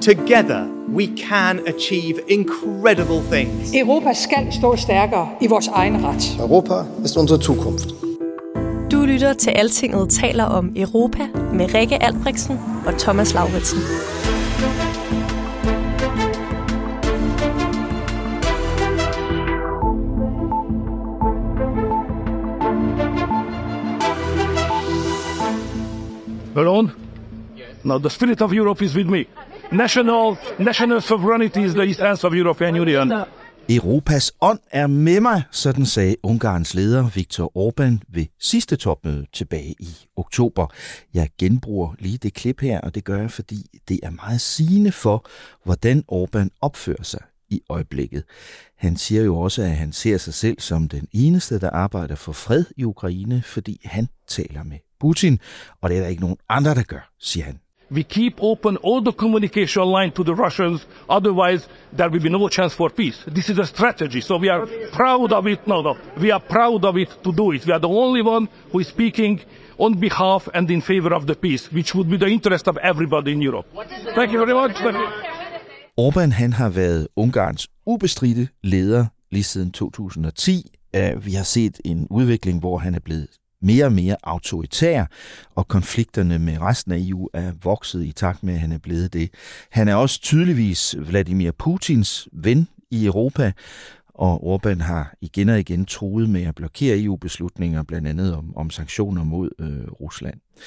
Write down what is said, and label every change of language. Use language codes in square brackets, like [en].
[en] Together we can achieve incredible things. [da] Europa skal stå stærkere i vores egen ret. Europa er vores fremtid. Du lytter til Altinget taler om Europa med Rikke Albrechtsen og Thomas Lauritsen. [en] Alone? Now the spirit of Europe is with me. National sovereignty is the essence of European Union. [da] Europas ånd er med mig, sådan sagde Ungarns leder Viktor Orbán ved sidste topmøde tilbage i oktober. Jeg genbruger lige det klip her, og det gør jeg, fordi det er meget sigende for, hvordan Orbán opfører sig i øjeblikket. Han siger jo også, at han ser sig selv som den eneste, der arbejder for fred i Ukraine, fordi han taler med Putin, og det er der ikke nogen andre, der gør, siger han. [en] We keep open all the communication line to the Russians, otherwise there will be no chance for peace. This is a strategy, so we are proud of it. No, we are proud of it to do it. We are the only one who is speaking on behalf and in favor of the peace, which would be the interest of everybody in Europe. Thank you very much. [da] Orbán, han har været Ungarns ubestridte leder lige siden 2010. Vi har set en udvikling, hvor han er blevet mere og mere autoritær, og konflikterne med resten af EU er vokset i takt med, at han er blevet det. Han er også tydeligvis Vladimir Putins ven i Europa, og Orbán har igen og igen truet med at blokere EU-beslutninger, blandt andet om sanktioner mod Rusland.